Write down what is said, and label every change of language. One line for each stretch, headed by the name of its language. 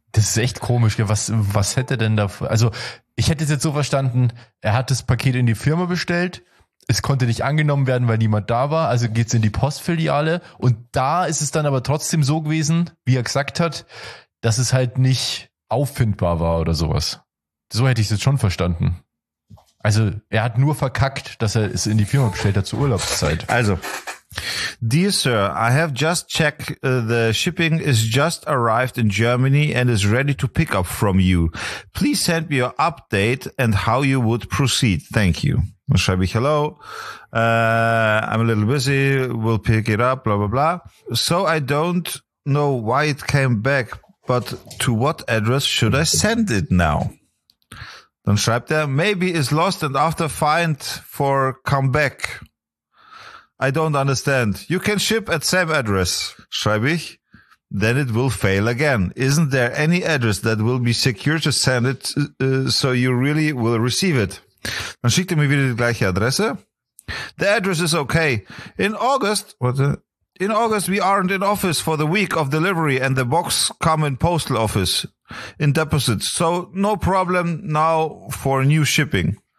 German: Das ist echt komisch, gell? Was hätte denn da, also ich hätte es jetzt so verstanden, er hat das Paket in die Firma bestellt, es konnte nicht angenommen werden, weil niemand da war, also geht's in die Postfiliale und da ist es dann aber trotzdem so gewesen, wie er gesagt hat, dass es halt nicht auffindbar war oder sowas. So hätte ich es jetzt schon verstanden. Also er hat nur verkackt, dass er es in die Firma bestellt hat zur Urlaubszeit.
English: Also, dear sir, I have just checked the shipping is just arrived in Germany and is ready to pick up from you. Please send me your update and how you would proceed. Thank you.
German: Dann schreibe ich hello.
English: I'm a little busy. We'll pick it up. Blah, blah, blah. So I don't know why it came back, but to what address should I send it now?
German: Dann schreibt er,
English: maybe it's lost and after find for come back. I don't understand. You can ship at same address.
German: Schreibe ich.
English: Then it will fail again. Isn't there any address that will be secure to send it so you really will receive it?
German: Dann schickt er mir wieder die gleiche Adresse.
English: The address is okay. In August we aren't in office for the week of delivery and the box come in postal office in deposits. So no problem now for new shipping.